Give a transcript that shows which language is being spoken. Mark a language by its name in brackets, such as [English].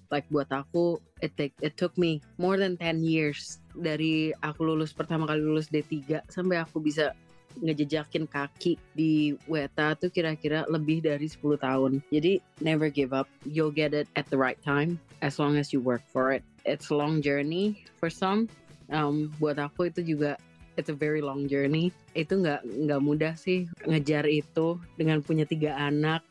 [Indonesian] Like buat aku, it took me more than 10 years dari aku lulus pertama kali lulus D3 sampai aku bisa ngejejakin kaki di WETA tuh kira-kira lebih dari 10 tahun. [English] Jadi never give up. You'll get it at the right time as long as you work for it. It's a long journey for some. Buat aku itu juga it's a very long journey. [Indonesian] Itu nggak mudah sih ngejar itu dengan punya 3 anak.